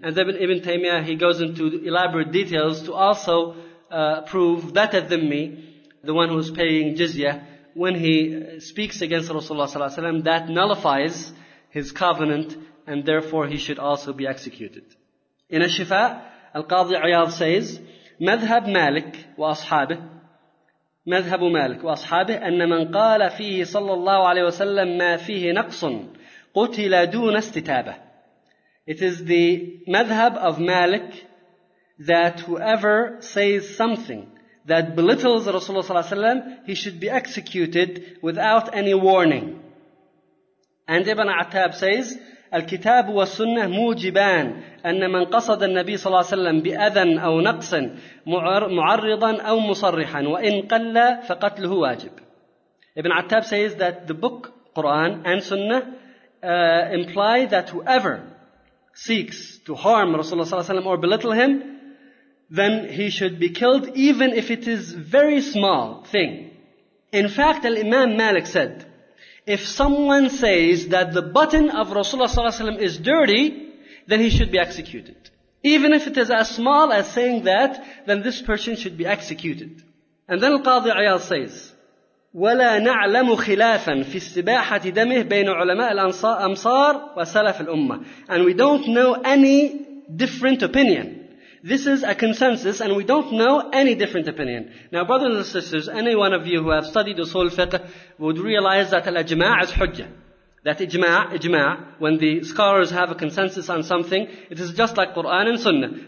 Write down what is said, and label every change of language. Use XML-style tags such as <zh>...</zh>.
<en>And then Ibn Taymiyyah, he goes into elaborate details to also prove that a dhimmi, the one who's paying jizya, when he speaks against Rasulullah sallallahu alaihi wasallam, that nullifies his covenant, and therefore he should also be executed. In a shifa, Al-Qadi Iyad says,</en> <ar>مذهب مالك وأصحابه مذهب مالك وأصحابه أن من قال فيه صلى الله عليه وسلم ما فيه نقص قتل دون استتابة.</ar> <en>It is the madhab of Malik that whoever says something that belittles Rasulullah صلى الله عليه وسلم, he should be executed without any warning. And Ibn Attab says,</en> <ar>الكتاب والسنة موجبان أن من قصد النبي صلى الله عليه وسلم بأذى أو نقص معرضا أو مصرحا وإن قل فقتله واجب.</ar> <en>Ibn Attab says that the book, Quran and Sunnah imply that whoever seeks to harm Rasulullah صلى الله عليه وسلم or belittle him, then he should be killed even if it is very small thing. In fact, Al-Imam Malik said, if someone says that the button of Rasulullah ﷺ is dirty, then he should be executed. Even if it is as small as saying that, then this person should be executed. And then Al-Qadi Iyad says,</en> <ar>وَلَا نَعْلَمُ خِلَافًا فِي اسْتِبَاحَةِ دَمِهِ بَيْنُ عُلَمَاءِ الْأَمْصَارِ وَسَلَفِ الْأُمَّةِ.</ar> <en>And we don't know any different opinion. This is a consensus, and we don't know any different opinion. Now, brothers and sisters, any one of you who have studied usul fiqh would realize that al-ajma' is hujjah. That ijma', when the scholars have a consensus on something, it is just like Quran and Sunnah.</en>